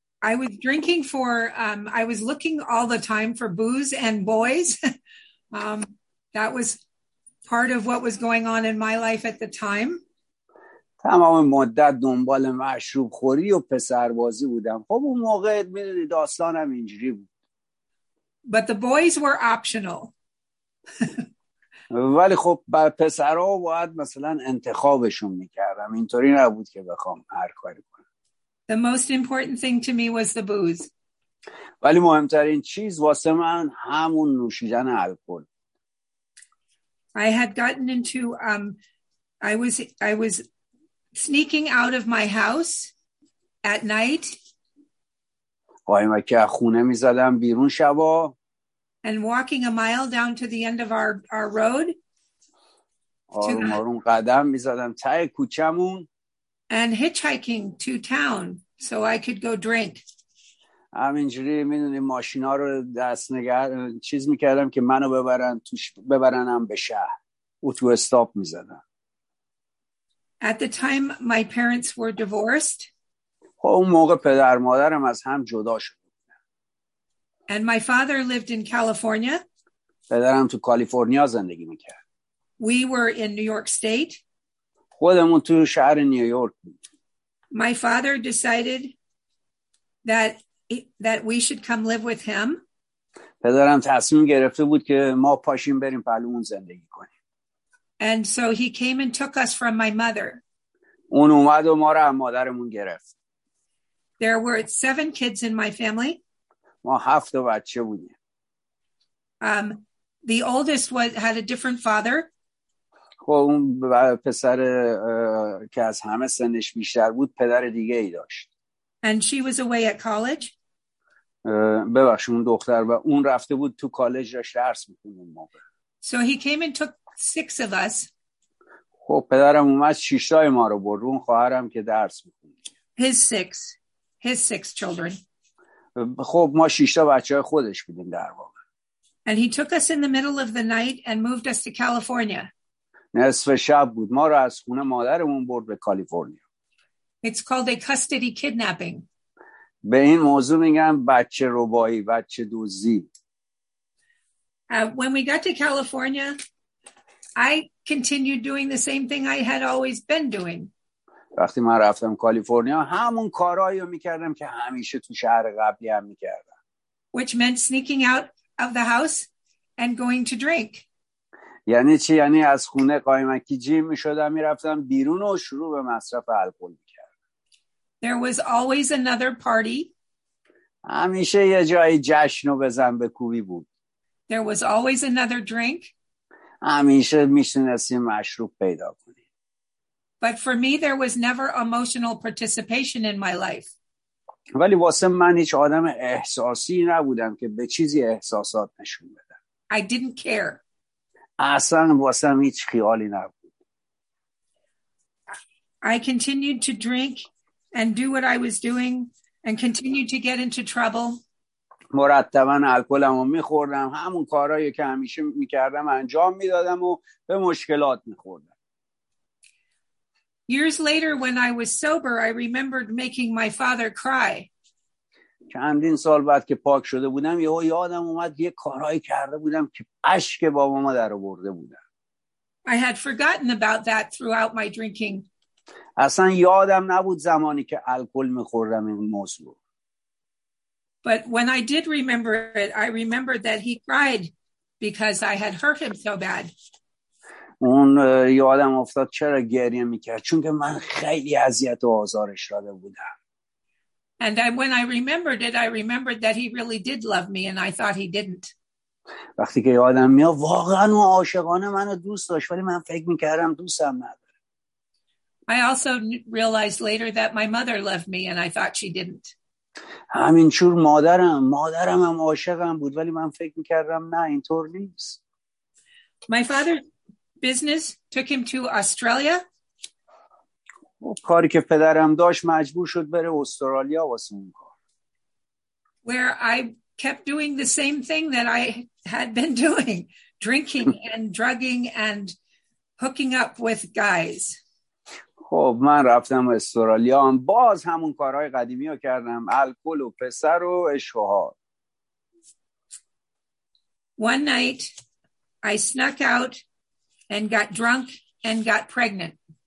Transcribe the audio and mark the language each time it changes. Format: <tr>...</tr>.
<en>I was drinking for I was looking all the time for booze and boys. That was part of what was going on in my life at the time.</en> <fa>تمام مدت دنبال مشروب خوری و پسربازی بودم. خب اون موقع میدونی داستانم اینجوری بود.</fa> <en>But the boys were optional.</en> <fa>ولی خب بر پسرها باید مثلا انتخابشون میکردم، اینطوری نبود که بخوام هر کاری کنم.</fa> <en>The most important thing to me was the booze.</en> <fa>ولی مهمترین چیز واسه من همون نوشیدن الکل.</fa> <en>I had gotten into I was sneaking out of my house at night.</en> <fa>قایم که خونه می‌زدم بیرون شبا.</fa> <en>And walking a mile down to the end of our road.</en> <fa>آروم آروم قدم می‌زدم ته کوچه‌مون.</fa> <en>And hitchhiking to town so I could go drink.</en> <fa>همینجوری میدونی ماشینا رو دست نگر چیز میکردم که منو ببرن توش، ببرنم به شهر، اتو استاپ میزدن.</fa> <en>At the time my parents were divorced.</en> <fa>اون موقع پدر مادرم از هم جدا شده بودن.</fa> <en>And my father lived in California.</en> <fa>پدرم تو کالیفرنیا زندگی میکرد.</fa> <en>We were in New York State.</en> <fa>خودمون تو شهر نیویورک بود.</fa> <en>My father decided that we should come live with him.</en> <fa>پدرم تصمیم گرفته بود که ما پاشیم بریم پلومون زندگی کنیم.</fa> <en>And so he came and took us from my mother.</en> <fa>اون اومد و ما رو از مادرمون گرفت.</fa> <en>There were 7 kids in my family.</en> <fa>ما 7 بچه بودیم.</fa> <en>The oldest had a different father.</en> <fa>خب اون پسر که از همه سنش بیشتر بود پدر دیگه ای داشت.</fa> <en>And she was away at college.</en> <fa>ببخش اون دختر و اون رفته بود تو کالج را درس میکنه اون موقع.</fa> <en>So he came and took 6 of us.</en> <fa>خب پدرم اومد 6 تای ما رو برد، اون خواهرم که درس میکنه.</fa> <en>His six children.</en> <fa>خب ما 6 تا بچه خودش بودیم در واقع.</fa> <en>And he took us in the middle of the night and moved us to California.</en> <fa>نصف شب بود ما رو از خونه مادرمون برد به کالیفرنیا.</fa> <en>It's called a custody kidnapping.</en> <fa>به این موضوع میگن بچه ربایی، بچه دزدی.</fa> <en>When we got to California, I continued doing the same thing I had always been doing.</en> <fa>وقتی من رفتم کالیفرنیا همون کارهایی رو میکردم که همیشه تو شهر قبلی هم میکردم.</fa> <en>Which meant sneaking out of the house and going to drink.</en> <fa>یعنی چی؟ یعنی از خونه قایمکی جیم میشدم میرفتم بیرون و شروع به مصرف الکل میکردم.</fa> <en>There was always another party.</en> <fa>همیشه یه جای جشن و بزن به کوبی بود.</fa> <en>There was always another drink.</en> <fa>همیشه میتونستیم مشروب پیدا کنیم.</fa> <en>But for me, there was never emotional participation in my life.</en> <fa>ولی واسه من هیچ آدم احساسی نبودم که به چیزی احساسات نشون بدم.</fa> <en>I didn't care.</en> <fa>اصلا واسه من هیچ خیالی نبود.</fa> <en>I continued to drink and do what I was doing and continued to get into trouble.</en> <fa>مرتبا الکلمو میخوردم، همون کارهایی که همیشه میکردم انجام میدادم و به مشکلات میخوردم.</fa> <en>Years later, when I was sober, I remembered making my father cry.</en> <fa>چندین سال بعد که پاک شده بودم، یهو یادم اومد یه کارهایی کرده بودم که اشک بابامو درآورده بودم.</fa> <en>I had forgotten about that throughout my drinking.</en> <fa>اصلا یادم نبود زمانی که الکل می‌خوردم این موضوع.</fa> <en>But when I did remember it, I remembered that he cried because I had hurt him so bad.</en> <fa>اون یادم افتاد چرا گریه میکرد، چون که من خیلی اذیت و آزارش داده بودم.</fa> <en>And when I remembered it, I remembered that he really did love me and I thought he didn't.</en> <fa>وقتی که یادم میاد واقعا او عاشقانه منو دوست داشت، ولی من فکر میکردم دوستم نداره.</fa> <en>I also realized later that my mother loved me and I thought she didn't.</en> <fa>همینجور مادرم هم عاشقم بود، ولی من فکر میکردم نه اینطور نیست.</fa> <en>My father business took him to Australia.</en> <fa>کاری که پدرم داشت مجبور شد بره استرالیا واسه اون کار.</fa> <en>Where I kept doing the same thing that I had been doing, drinking and drugging and hooking up with guys.</en> <fa>خب من رفتم استرالیا، باز همون کارهای قدیمی رو کردم، الکل و پسر و عشق و حال.</fa> <en>One night I snuck out and got drunk and got pregnant.</en>